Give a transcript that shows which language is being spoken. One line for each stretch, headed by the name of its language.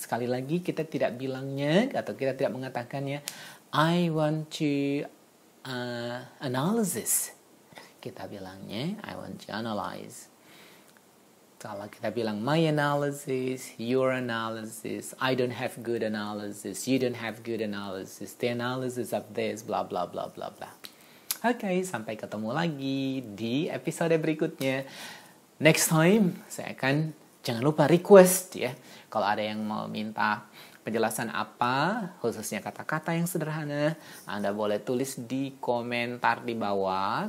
Indonesian: Sekali lagi, kita tidak bilangnya atau kita tidak mengatakannya
English: I want to analysis.
Indonesian: Kita bilangnya
English: I want to analyze.
Indonesian: Kalau kita bilang
English: my analysis, your analysis, I don't have good analysis, you don't have good analysis, the analysis of this, blah blah blah blah blah.
Indonesian: Okay, sampai ketemu lagi di episode berikutnya.
English: Next time,
Indonesian: saya akan, jangan lupa request ya. Kalau ada yang mau minta penjelasan apa, khususnya kata-kata yang sederhana, Anda boleh tulis di komentar di bawah.